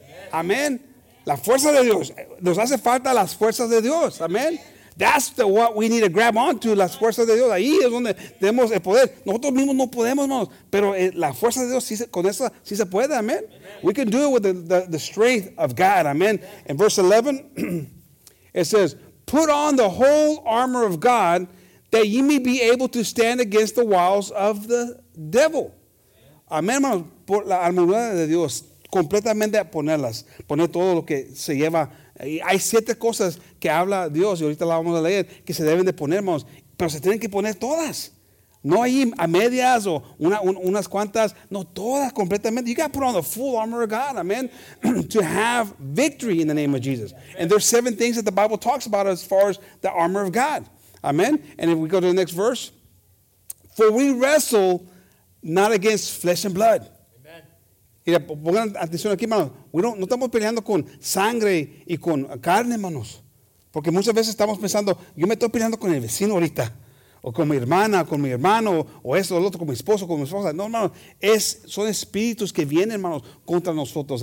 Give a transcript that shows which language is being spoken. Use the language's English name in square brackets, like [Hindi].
[Spanish] Amén. La fuerza de Dios. Nos hace falta las fuerzas de Dios. Amén. [English] That's the what we need to grab onto, [Spanish] las fuerzas de Dios. Ahí es donde tenemos el poder. Nosotros mismos no podemos, hermanos, pero la fuerza de Dios, con eso sí se puede, amén. [English] We can do it with the strength of God, amén. In verse 11, it says, "Put on the whole armor of God, that ye may be able to stand against the wiles of the devil." [Spanish] Amén, hermanos, por la armadura de Dios, completamente ponerlas, poner todo lo que se lleva. Y hay siete cosas que habla Dios, y ahorita la vamos a leer, que se deben de poner, hermanos, pero se tienen que poner todas. No ahí a medias o unas cuantas, no todas completamente. [English] You got to put on the full armor of God, amen, to have victory in the name of Jesus. And there's seven things that the Bible talks about as far as the armor of God, amen. And if we go to the next verse, "For we wrestle not against flesh and blood." [Spanish] Mira, pongan atención aquí, hermanos. No estamos peleando con sangre y con carne, hermanos. Porque muchas veces estamos pensando, yo me estoy peleando con el vecino ahorita. O con mi hermana, con mi hermano, o eso, o el otro, con mi esposo, con mi esposa. No, hermanos, son espíritus que vienen, hermanos, contra nosotros.